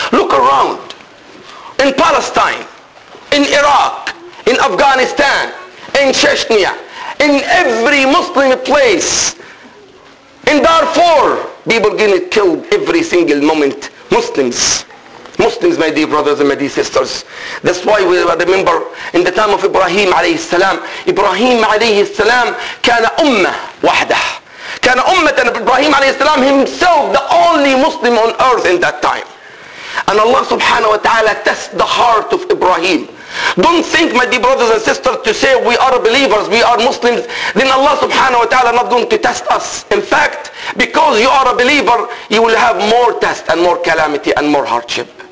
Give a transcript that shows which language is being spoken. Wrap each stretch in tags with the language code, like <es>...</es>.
<en>Look around in Palestine, in Iraq, in Afghanistan, in Chechnya, in every Muslim place, in Darfur, people getting killed every single moment. Muslims, my dear brothers and my dear sisters. That's why we remember in the time of Ibrahim alayhi salam.</en> <ar>Ibrahim alayhi salam كان أمة واحدة. كان أمة.</ar> <en>Ibrahim alayhi salam himself, the only Muslim on earth in that time. And Allah subhanahu wa ta'ala test the heart of Ibrahim. Don't think, my dear brothers and sisters, to say we are believers, we are Muslims, then Allah subhanahu wa ta'ala not going to test us. In fact, because you are a believer, you will have more test and more calamity and more hardship.</en>